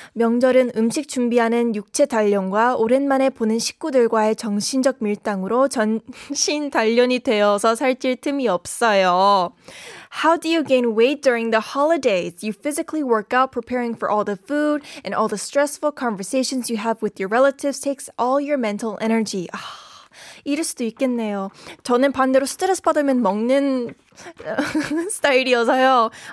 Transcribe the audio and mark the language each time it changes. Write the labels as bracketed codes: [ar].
[ko] 명절은 음식 준비하는 육체 단련과 오랜만에 보는 식구들과의 정신적 밀당으로 전신 단련이 되어서 살찔 틈이 없어요. [en] How do you gain weight during the holidays? You physically work out, preparing for all the food, and all the stressful conversations you have with your relatives takes all your mental energy. [ko] 이럴 수도 있겠네요. 저는 반대로 스트레스 받으면 먹는 스타일이어서요.